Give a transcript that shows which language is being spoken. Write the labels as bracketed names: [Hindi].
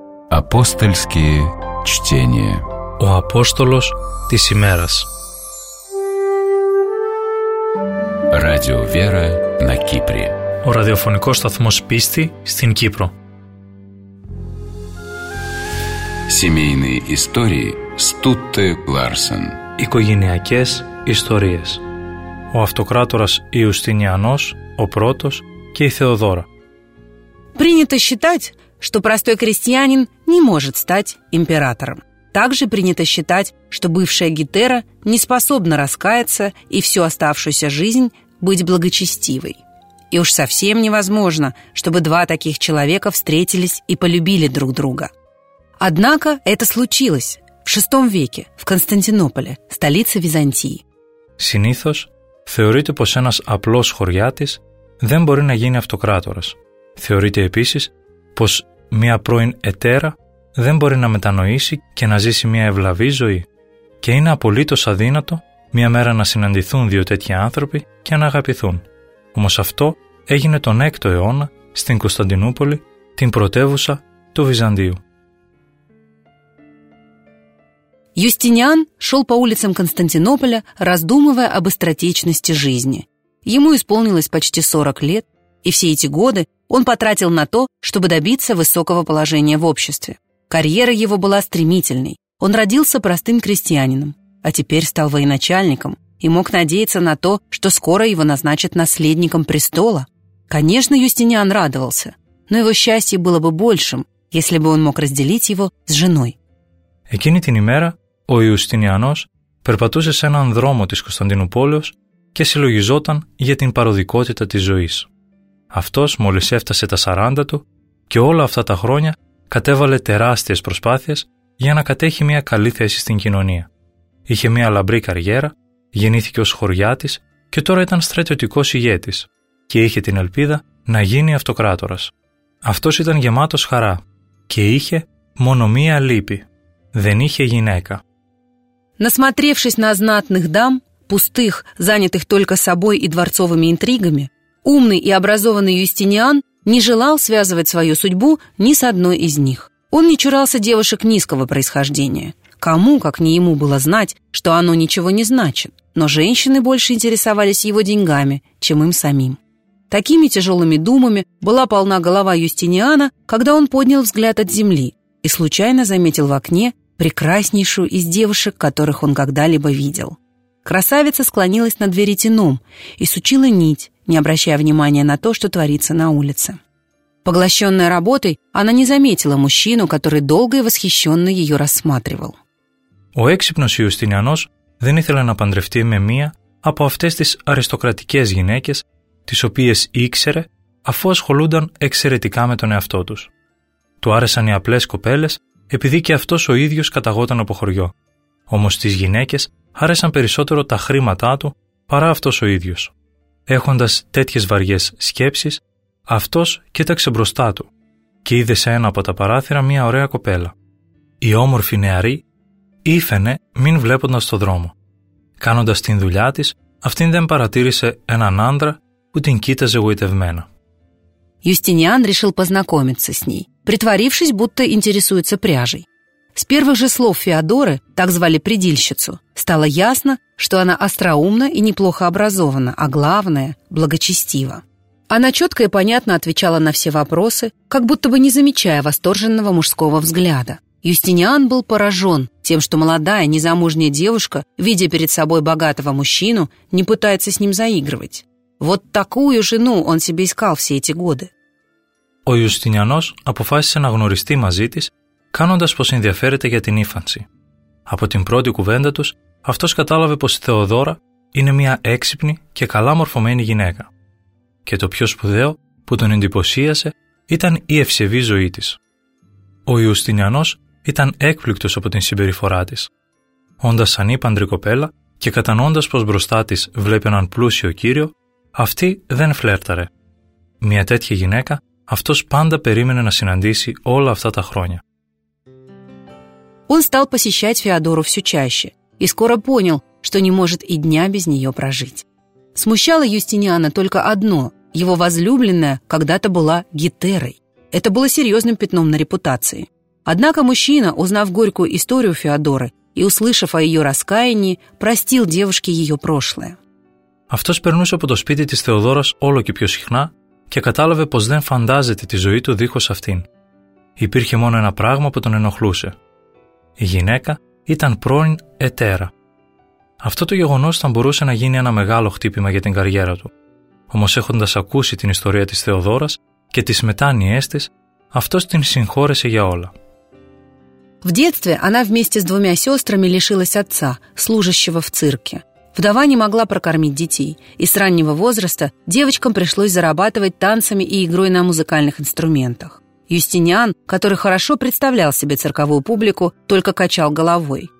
[Russian] Апостольские чтения. [Greek] Ο Апостолος της ημέρας. [Russian] Радио Вера на Кипре. [Greek] Ο ραδιοφωνικός σταθμός πίστη στην Κύπρο. [Russian] Семейные истории Стутте Ларсен. [Greek] Οικογενειακές ιστορίες. Ο Αυτοκράτορας Ιουστινιανός, ο πρώτος και η Θεοδόρα. [Russian] Принято считать, что простой крестьянин не может стать императором. Также принято считать, что бывшая гетера не способна раскаяться и всю оставшуюся жизнь быть благочестивой. И уж совсем невозможно, чтобы два таких человека встретились и полюбили друг друга. Однако это случилось в VI веке в Константинополе, столице Византии. [Greek] Συνήθως θεωρείται πως ένας απλός χωριάτης δεν μπορεί να γίνει αυτοκράτορας. Θεωρείται επίσης πως μία πρώην ετέρα δεν μπορεί να μετανοήσει και να ζήσει μία ευλαβή ζωή και είναι απολύτως αδύνατο μία μέρα να συναντηθούν δύο τέτοιοι άνθρωποι και να αγαπηθούν. Όμως αυτό έγινε τον 6ο αιώνα στην Κωνσταντινούπολη, την πρωτεύουσα του Βυζαντίου. [Russian] Юстиниан шел по улицам Константинополя, раздумывая об остротечности жизни. Ему исполнилось почти 40 лет, и все эти годы он потратил на то, чтобы добиться высокого положения в обществе. Карьера его была стремительной. Он родился простым крестьянином, а теперь стал военачальником и мог надеяться на то, что скоро его назначат наследником престола. Конечно, Юстиниан радовался, но его счастье было бы большим, если бы он мог разделить его с женой. [Greek] Εκείνη την ημέρα ο Ιουστινιανός περπατούσε σε έναν δρόμο της Κωνσταντινούπολης και συλλογιζόταν για την παροδικότητα της ζωής. Αυτός μόλις έφτασε τα 40 του και όλα αυτά τα χρόνια κατέβαλε τεράστιες προσπάθειες για να κατέχει μια καλή θέση στην κοινωνία. Είχε μια λαμπρή καριέρα, γεννήθηκε ως χωριάτης και τώρα ήταν στρατιωτικός ηγέτης και είχε την ελπίδα να γίνει αυτοκράτορας. Αυτός ήταν γεμάτος χαρά και είχε μόνο μία λύπη. Δεν είχε γυναίκα. [Russian] Насмотревшись на знатных дам, пустых, занятых только собой и дворцовыми интригами, умный и образованный Юстиниан не желал связывать свою судьбу ни с одной из них. Он не чурался девушек низкого происхождения. Кому, как не ему, было знать, что оно ничего не значит. Но женщины больше интересовались его деньгами, чем им самим. Такими тяжелыми думами была полна голова Юстиниана, когда он поднял взгляд от земли и случайно заметил в окне прекраснейшую из девушек, которых он когда-либо видел. Красавица склонилась над веретеном и сучила нить, не обращая внимания на то, что творится на улице. Поглощенная работой, она не заметила мужчину, который долго и восхищенно ее рассматривал. [Greek] Ο έξυπνος Ιουστινιανός δεν ήθελε να παντρευτεί με μία από αυτές τις αριστοκρατικές γυναίκες, τις οποίες ήξερε, αφού ασχολούνταν εξαιρετικά με τον εαυτό τους. Του άρεσαν οι απλές κοπέλες, επειδή και αυτός ο ίδιος καταγόταν από χωριό. Όμως τις γυναίκες άρεσαν περισσότερο τα χρήματά του παρά αυτός ο ίδιος. Έχοντας τέτοιες βαριές σκέψεις, αυτός κοίταξε μπροστά του και είδε σε ένα από τα παράθυρα μια ωραία κοπέλα. Η όμορφη νεαρή ήφαινε μην βλέποντας το δρόμο. Κάνοντας την δουλειά της, αυτήν δεν παρατήρησε έναν άντρα που την κοίταζε γοητευμένα. [Russian] Юстиниан решил познакомиться с ней, притворившись, будто интересуется пряжей. С первых же слов Феодоры, так звали предильщицу, стало ясно, что она остроумна и неплохо образована, а главное – благочестива. Она четко и понятно отвечала на все вопросы, как будто бы не замечая восторженного мужского взгляда. Юстиниан был поражен тем, что молодая, незамужняя девушка, видя перед собой богатого мужчину, не пытается с ним заигрывать. Вот такую жену он себе искал все эти годы. [Greek] Ο Ιουστινιανός αποφάσισε να γνωριστεί μαζί της, κάνοντας πως ενδιαφέρεται για την ύφανση. Από την πρώτη κουβέντα τους, αυτός κατάλαβε πως η Θεοδώρα είναι μια έξυπνη και καλά μορφωμένη γυναίκα. Και το πιο σπουδαίο που τον εντυπωσίασε ήταν η ευσεβή ζωή της. Ο Ιουστινιανός ήταν έκπληκτος από την συμπεριφορά της. Όντας ανήπαντρη κοπέλα και κατανοώντας πως μπροστά της βλέπει έναν πλούσιο κύριο, αυτή δεν φλέρταρε. Μια τέτοια γυναίκα αυτός πάντα περίμενε να συναντήσει όλα αυτά τα χρόνια. [Russian] Он стал посещать Феодору все чаще и скоро понял, что не может и дня без нее прожить. Смущало Юстиниана только одно – его возлюбленная когда-то была гетерой. Это было серьезным пятном на репутации. Однако мужчина, узнав горькую историю Феодоры и услышав о ее раскаянии, простил девушке ее прошлое. [Greek] Αυτός περνούσε από το σπίτι της Θεοδόρας όλο και πιο συχνά και κατάλαβε πως δεν φαντάζεται τη ζωή του δίχως αυτήν. Υπήρχε μόνο ένα πράγμα που τον ενοχλούσε. Η γυναίκα ήταν πρώην ετέρα. Αυτό το γεγονός θα μπορούσε να γίνει ένα μεγάλο χτύπημα για την καριέρα του. Όμως έχοντας ακούσει την ιστορία της Θεοδόρας και τις μετάνοιές της, αυτός την συγχώρεσε για όλα. [Russian] В детстве она вместе с двумя сестрами лишилась отца, служащего в цирке. Вдова не могла прокормить детей, и с раннего возраста девочкам пришлось зарабатывать танцами и игрой на музыкальных инструментах. Юстиниан, который хорошо представлял себе цирковую публику, только качал головой.